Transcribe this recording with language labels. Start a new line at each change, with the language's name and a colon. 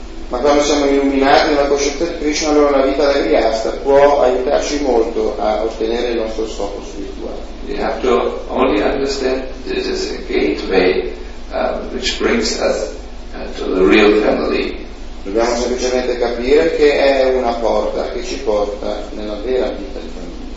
Italian: Ma quando siamo illuminati nella coscienza di Krishna, allora la vita da grihastha può aiutarci molto a ottenere il nostro scopo spirituale.
English: We have to only understand this is a gateway which brings us to the real family.
Italian: Dobbiamo semplicemente capire che è una porta che ci porta nella vera vita di famiglia.